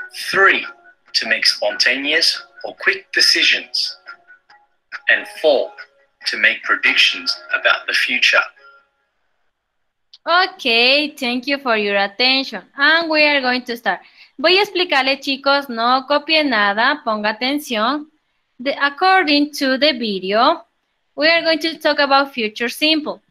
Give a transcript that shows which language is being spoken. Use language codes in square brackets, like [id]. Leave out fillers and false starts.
[en] Three, to make spontaneous or quick decisions, and four, to make predictions about the future. Okay, thank you for your attention, and we are going to start. [es] Voy a explicarle, chicos, no copie nada, ponga atención. [en] According to the video, we are going to talk about future simple.